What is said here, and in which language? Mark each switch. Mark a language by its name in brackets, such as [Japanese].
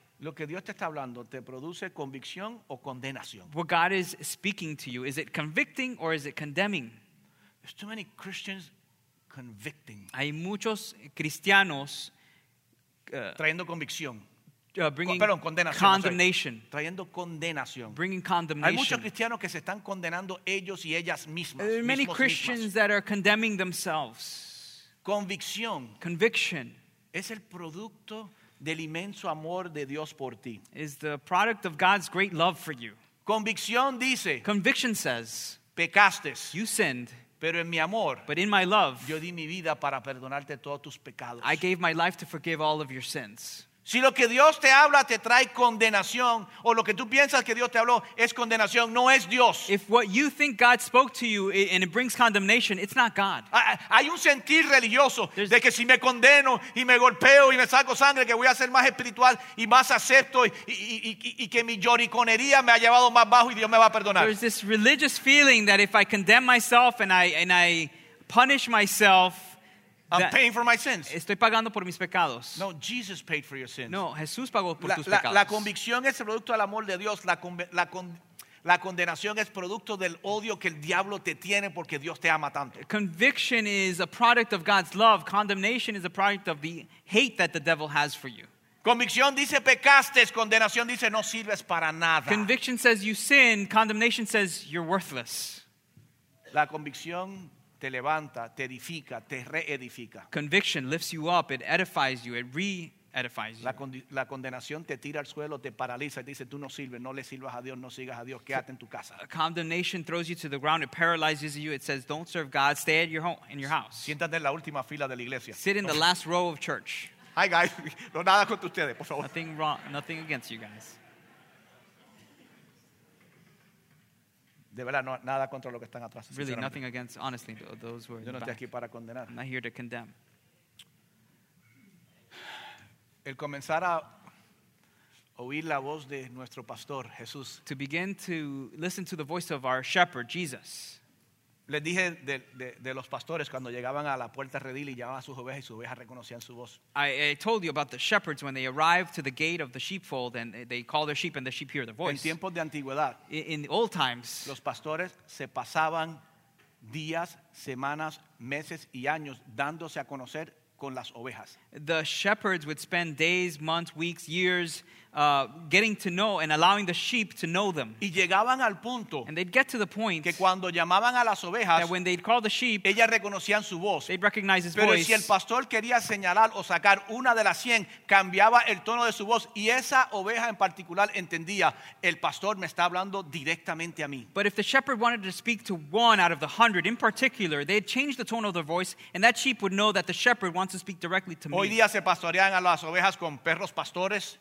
[Spanish] Lo que Dios te está hablando, ¿te produce convicción o condenación? [English] What God is speaking to you, is it convicting or is it condemning? There's too many Christians convicting. [Spanish] Hay muchos cristianos trayendo convicción. [English] Bringing condemnation. [Spanish] Hay condenación. Ellos y ellas mismas, [English] there are many Christians [Spanish] mismas. [English] That are condemning themselves. Conviction [Spanish] es el producto del inmenso amor de Dios por ti. [English] Is the product of God's great love for you. [Spanish] Convicción dice, [English] conviction says, [Spanish] pecaste, [English] you sinned, [Spanish] pero en mi amor, [English] but in my love, [Spanish] yo di mi vida para perdonarte todos tus pecados. [English] I gave my life to forgive all of your sins. [Spanish] Si lo que Dios te habla te trae condenación, o lo que tú piensas que Dios te habló es condenación, no es Dios. [English] If what you think God spoke to you and it brings condemnation, it's not God. [Spanish] Hay un sentir religioso de que si me condeno y me golpeo y me saco sangre, que voy a ser más espiritual y más acepto y que mi lloriconería me ha llevado más bajo y Dios me va a perdonar. [English] There's this religious feeling that if I condemn myself and I punish myself, I'm paying for my sins. [Spanish] Estoy pagando por mis pecados. [English] No, Jesus paid for your sins. [Spanish] No, Jesús pagó por tus pecados. La convicción es el producto del amor de Dios. La condenación es producto del odio que el diablo te tiene porque Dios te ama tanto. [English] Conviction is a product of God's love. Condemnation is a product of the hate that the devil has for you. [Spanish] Convicción dice pecaste, condenación dice no sirves para nada. [English] Conviction says you sin, condemnation says you're worthless. [Spanish] La convicción te levanta, te edifica, te reedifica. [English] Conviction lifts you up, it edifies you, it re-edifies you. [Spanish] La condenación te tira al suelo, te paraliza, y dice, tú no sirves, no le sirvas a Dios, no sigas a Dios, quédate en tu casa. [English] A condemnation throws you to the ground, it paralyzes you, it says, don't serve God, stay at your home, in your house. [Spanish] Siéntate en la última fila de la iglesia. [English] Sit in the last row of church. Hi guys, [Spanish] no nada contra ustedes, por favor. [English] Nothing wrong, nothing against you guys. [Spanish] De verdad, no, nada contra lo que están atrás. [English] Really, nothing against, honestly, those who are. [Spanish] Yo no estoy aquí para condenar. [English] I'm not here to condemn. [Spanish] El comenzar a oír la voz de nuestro pastor, Jesús. [English] To begin to listen to the voice of our shepherd, Jesus. [Spanish] Les dije de los pastores cuando llegaban a la puerta redil y llamaban a sus ovejas y sus ovejas reconocían su voz. [English] I told you about the shepherds when they arrived to the gate of the sheepfold and they call their sheep and the sheep hear their voice. [Spanish] En tiempos de antigüedad, [English] in old times, [Spanish] los pastores se pasaban días, semanas, meses y años dándose a conocer con las ovejas. [English] The shepherds would spend days, months, weeks, years getting to know and allowing the sheep to know them. [Spanish] Y llegaban al punto, [English] and they'd get to the point [Spanish] que cuando llamaban a las ovejas, [English] that when they'd call the sheep, [Spanish] ellas reconocían su voz. [English] They'd recognize his [Spanish] pero [English] voice. [Spanish] Si el pastor quería señalar o sacar una de las 100, cambiaba el tono de su voz y esa oveja en particular entendía, el pastor me está hablando directamente a mí. [English] But if the shepherd wanted to speak to one out of the 100 in particular, they'd change the tone of their voice and that sheep would know that the shepherd wants to speak directly to me. [Spanish] Hoy día se pastorean a las ovejas con perros pastores.